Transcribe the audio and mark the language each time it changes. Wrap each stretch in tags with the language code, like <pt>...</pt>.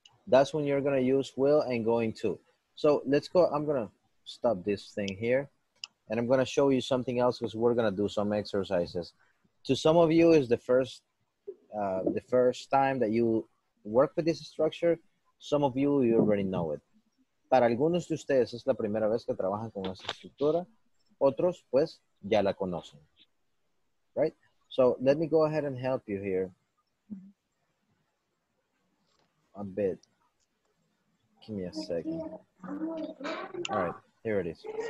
<en>That's when you're going to use will and going to. So let's go. I'm going to stop this thing here and I'm going to show you something else because we're going to do some exercises. To some of you is the first time that you work with this structure. Some of you already know it.</en> <es>Para algunos de ustedes es la primera vez que trabajan con esta estructura. Otros, pues, ya la conocen, right?</es> <en>So let me go ahead and help you here a bit. Give me a second. All right, here it is.</en>